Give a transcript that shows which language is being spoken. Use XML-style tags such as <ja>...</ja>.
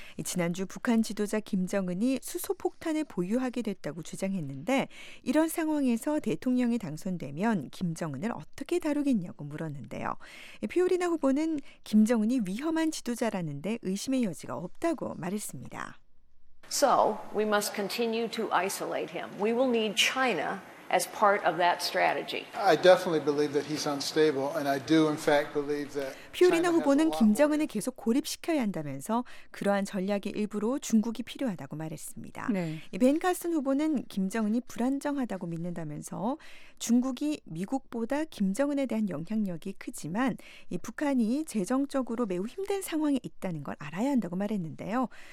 <ko>지난주 북한 지도자 김정은이 수소폭탄을 보유하게 됐다고 주장했는데 이런 상황에서 대통령이 당선되면 김정은을 어떻게 다루겠냐고 물었는데요. 피오리나 후보는 김정은이 위험한 지도자라는데 의심의 여지가 없다고 말했습니다.</ko> <en>So, we must continue to isolate him. We will need China as part of that strategy. I definitely believe that he's unstable and I do in fact believe that</en> <ko>퓨리나 후보는 김정은을 계속 고립시켜야 한다면서 그러한 전략의 일부로 중국이 필요하다고 말했습니다. 네. 벤 카슨 후보는 김정은이 불안정하다고 믿는다면서 중국이 미국보다 김정은에 대한 영향력이 크지만 북한이 재정적으로 매우 힘든 상황에 있다는 걸 알아야 한다고 말했는데요.</ko>